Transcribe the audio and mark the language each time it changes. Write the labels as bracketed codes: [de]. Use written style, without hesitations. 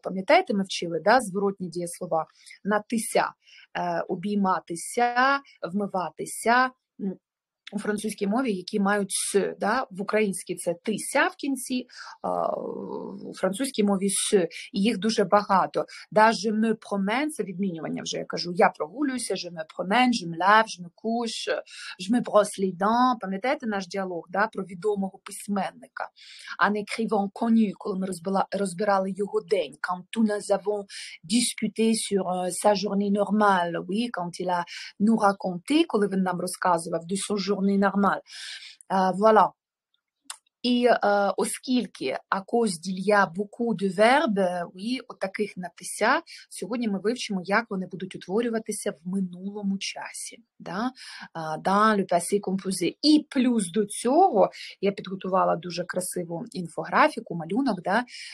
[uk] Пам'ятаєте, ми вчили, да, зворотні дієслова? Натися, обійматися, вмиватися. У французькій мові, які мають «се», да? В українській це «тися» в кінці, у французькій мові «се», і їх дуже багато. Да, [fr] «Je me promène» [uk] – це відмінювання вже, я кажу, я прогулююся, «Je me promène», [fr] «Je me lave», «Je me couche», «Je me brosse les dents». [uk] Пам'ятаєте наш діалог, да? Про відомого письменника? [fr] «Un écrivain connu», [uk] коли ми розбирали його день, [fr] «quand nous avons discuté sur sa journée normale», oui, «quand il a nous raconté», [uk] коли він нам розказував, [fr] «de son journée normal». Voilà. [uk] І оскільки [fr] «à cause d'il y a beaucoup de verbes», [uk] oui, отаких «натися», сьогодні ми вивчимо, як вони будуть утворюватися в минулому часі. [fr] Да? «Dans le passé composé». [uk] І плюс до цього, я підготувала дуже красиву інфографіку, малюнок, да?